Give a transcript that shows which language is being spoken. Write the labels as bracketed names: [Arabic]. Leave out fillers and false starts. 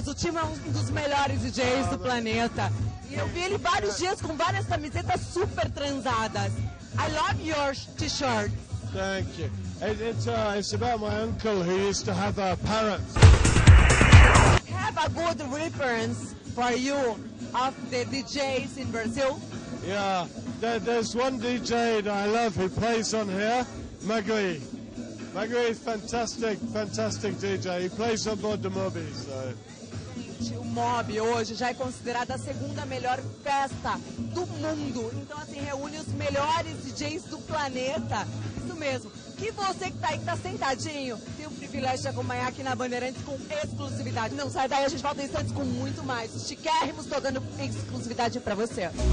[Portuguese] O Timo é um dos melhores DJs do planeta. E eu vi ele vários dias com várias camisetas super transadas. [English] I love your t-shirt. Thank you. It's about my uncle who used to have a parrot. Have a good reference. for you of the DJs in Brazil? Yeah, there's one DJ that I love who plays on here, Magui. Magui is fantastic, fantastic DJ. He plays on board the Mobi, so... [Portuguese] O Mob hoje já é considerada a segunda melhor festa do mundo. Então, assim, reúne os melhores DJs do planeta. Isso mesmo. Que você que tá aí, que tá sentadinho, tem o privilégio de acompanhar aqui na Bandeirantes com exclusividade. Não sai daí, a gente volta em instantes com muito mais. Chiquérrimos, tô dando exclusividade pra você.